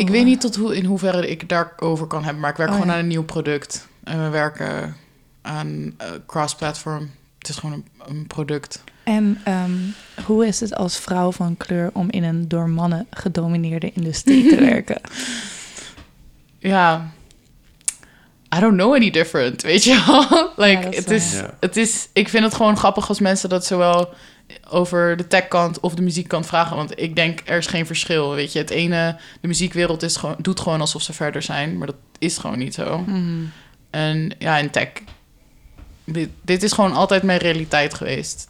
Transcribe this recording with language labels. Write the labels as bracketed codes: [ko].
[nl] horen. Ik weet niet tot in hoeverre ik daarover kan hebben, maar ik werk gewoon aan een nieuw product. En we werken aan cross-platform. Het is gewoon een product. En hoe is het als vrouw van kleur om in een door mannen gedomineerde industrie te werken? [en] Ja, I don't know any different, [nl] weet je wel? Like, ja, het is, ik vind het gewoon grappig als mensen dat zowel over de tech-kant of de muziek-kant vragen. Want ik denk, er is geen verschil, weet je. Het ene, de muziekwereld is gewoon, doet gewoon alsof ze verder zijn. Maar dat is gewoon niet zo. Mm-hmm. En ja, in tech, dit is gewoon altijd mijn realiteit geweest.